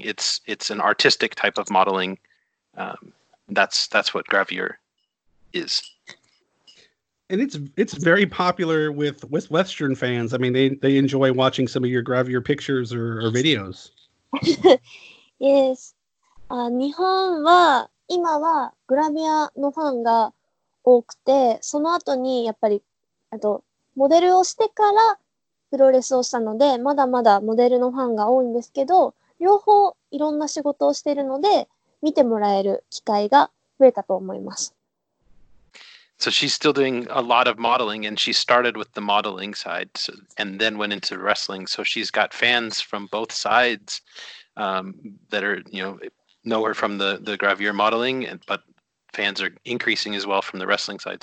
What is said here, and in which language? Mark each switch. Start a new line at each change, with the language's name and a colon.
English: It's an artistic type of modeling. That's what gravure is. And it's very popular with Western fans. I mean, they enjoy watching some of your gravure pictures or videos. Yes.
Japanese: 日本は今はグラビアのファンが多くて、その後にやっぱり、あと、モデルをしてからプロレスをしたので、まだまだモデルのファンが多いんですけど、両方いろんな仕事をしているので、見てもらえる機会が増えたと思います。
English: So she's still doing a lot of modeling, and she started with the modeling side, so, and then went into wrestling. So she's got fans from both sides that are, you know her from the gravure modeling, but fans are increasing as well from the wrestling side.